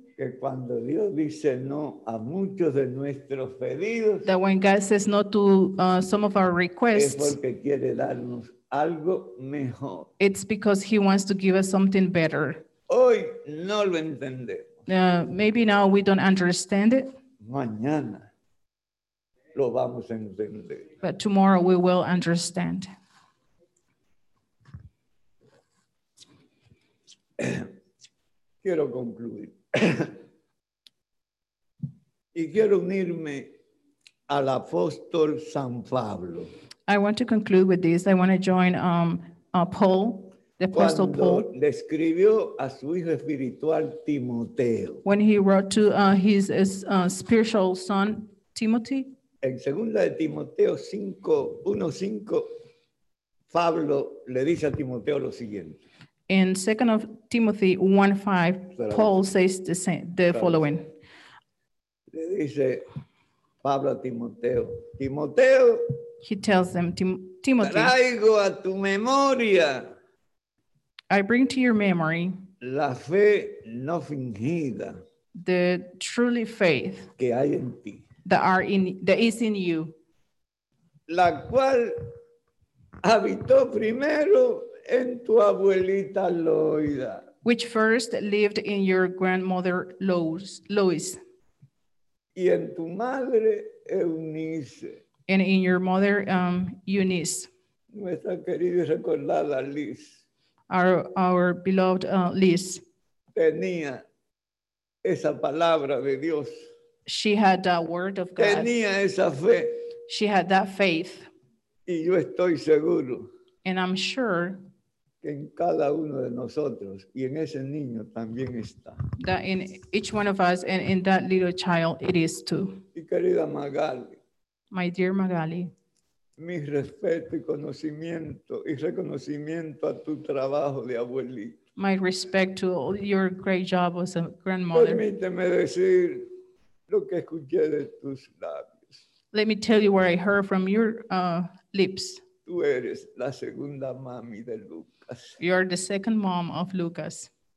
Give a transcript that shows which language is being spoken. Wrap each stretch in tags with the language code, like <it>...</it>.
<es>que cuando Dios dice no a muchos de nuestros pedidos,</es> <en>that when God says no to some of our requests,</en> <es>es porque quiere darnos algo mejor.</es> <en>It's because he wants to give us something better.</en> <es>Hoy no lo entendemos.</es> <en>Maybe now we don't understand it.</en> <es>Mañana lo vamos a entender.</es> <en>But tomorrow we will understand.</en> <es>Quiero concluir. Y quiero unirme al apóstol San Pablo.</es> <en>I want to conclude with this. I want to join Paul, the apostle Paul.</en> <es>Le escribió a su hijo espiritual Timoteo.</es> <en>When he wrote to his spiritual son Timothy.</en> <es>En segunda de Timoteo 5:1-5, Pablo le dice a Timoteo lo siguiente.</es> <en>In 2 Timothy 1:5, Paul says the following.</en> <es>Le dice Pablo a Timoteo, Timoteo,</es> <en>he tells them, Timothy,</en> <es>traigo a tu memoria,</es> <en>I bring to your memory</en> <es>la fe no fingida,</es> <en>the truly faith</en> <es>que hay en ti,</es> <en>that is in you,</en> <es>la cual habitó primero en tu abuelita Loida,</es> <en>which first lived in your grandmother Lois,</en> <es>y en tu madre Eunice,</es> <en>and in your mother Eunice,</en> <es>nuestra querida y recordada Liz,</es> <en>our beloved Liz,</en> <es>tenía esa palabra de Dios,</es> <en>she had that word of God,</en> <es>tenía esa fe,</es> <en>she had that faith,</en> <es>y yo estoy seguro,</es> <en>and I'm sure,</en> <es>en cada uno de nosotros y en ese niño también está.</es> <en>That in each one of us and in that little child it is too.</en> <es>Mi querida Magali.</es> <en>My dear Magali.</en> <es>Mi respeto y conocimiento y reconocimiento a tu trabajo de abuelita.</es> <en>My respect to your great job as a grandmother.</en> <es>Permíteme decir lo que escuché de tus labios.</es> <en>Let me tell you what I heard from your lips.</en> <es>Tú eres la segunda mami de Luke.</es> <en>You are the second mom of Lucas.</en>